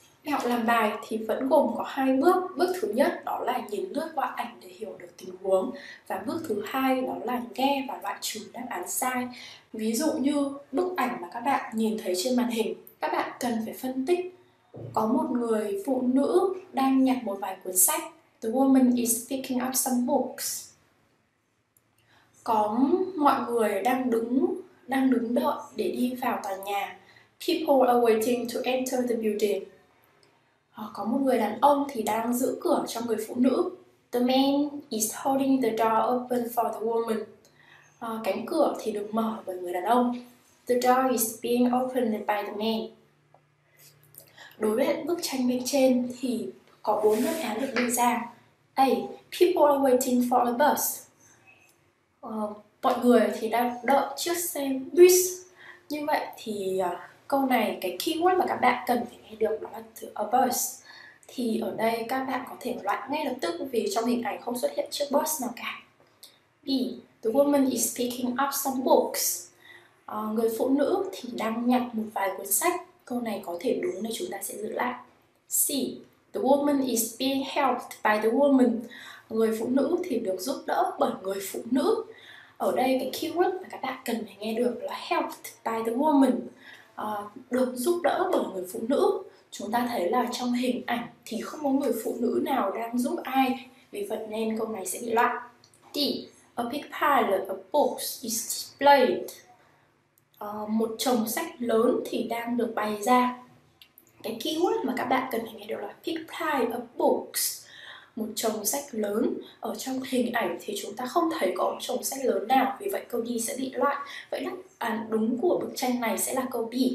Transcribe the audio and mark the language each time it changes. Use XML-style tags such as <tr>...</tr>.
<vi>Học làm bài thì vẫn gồm có hai bước. Bước thứ nhất đó là nhìn lướt qua ảnh để hiểu được tình huống, và bước thứ hai đó là nghe và loại trừ đáp án sai. Ví dụ như bức ảnh mà các bạn nhìn thấy trên màn hình, các bạn cần phải phân tích có một người phụ nữ đang nhặt một vài cuốn sách.</vi> <en>The woman is picking up some books.</en> <vi>Có mọi người đang đứng đợi để đi vào tòa nhà.</vi> <en>People are waiting to enter the building.</en> <vi>Có một người đàn ông thì đang giữ cửa cho người phụ nữ.</vi> <en>The man is holding the door open for the woman.</en> <vi>Cánh cửa thì được mở bởi người đàn ông.</vi> <en>The door is being opened by the man.</en> <vi>Đối với bức tranh bên trên thì có 4 đáp án được đưa ra.</vi> <en>A. People are waiting for a bus.</en> <vi>Mọi người thì đang đợi chiếc xe bus. Như vậy thì câu này, cái keyword mà các bạn cần phải nghe được đó là từ</vi> <en>a bus.</en> <vi>Thì ở đây các bạn có thể loại ngay lập tức vì trong hình ảnh không xuất hiện chiếc bus nào cả.</vi> <en>B. The woman is picking up some books.</en> <vi>Người phụ nữ thì đang nhặt một vài cuốn sách. Câu này có thể đúng nên chúng ta sẽ giữ lại.</vi> <en>C. The woman is being helped by the woman.</en> <vi>Người phụ nữ thì được giúp đỡ bởi người phụ nữ. Ở đây cái keyword mà các bạn cần phải nghe được là</vi> <en>helped by the woman.</en> <vi>Được giúp đỡ bởi người phụ nữ. Chúng ta thấy là trong hình ảnh thì không có người phụ nữ nào đang giúp ai, vì vậy nên câu này sẽ bị loại.</vi> <en>D. A big pile of books is displayed.</en> <vi>Một chồng sách lớn thì đang được bày ra. Cái keyword mà các bạn cần phải nghe được là</vi> <en>big pile of books.</en> <vi>Một chồng sách lớn. Ở trong hình ảnh thì chúng ta không thấy có chồng sách lớn nào, vì vậy câu D sẽ bị loại. Vậy đáp án đúng của bức tranh này sẽ là câu B.</vi>